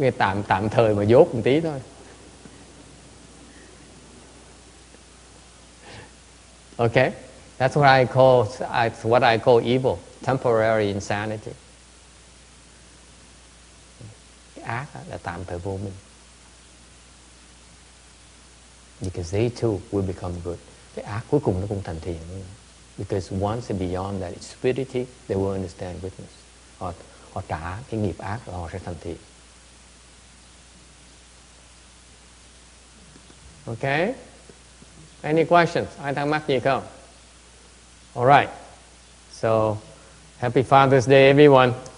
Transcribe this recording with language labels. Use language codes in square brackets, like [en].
[vi] Không phải là tôi làm, chỉ là tạm thời mà dốt một tí thôi. [en] Okay, that's what I call evil, temporary insanity. [vi] Ác là tạm thời vô minh. [en] Because they too will become good. [vi] Cái ác cuối cùng nó cũng thành thiện. [en] Because once they're beyond that stupidity, they will understand goodness. [vi] Họ trả cái nghiệp ác là họ sẽ thành thiện. [en] Okay. Any questions? [vi] Ai thắc mắc gì không? [en] All right. So, happy Father's Day, everyone.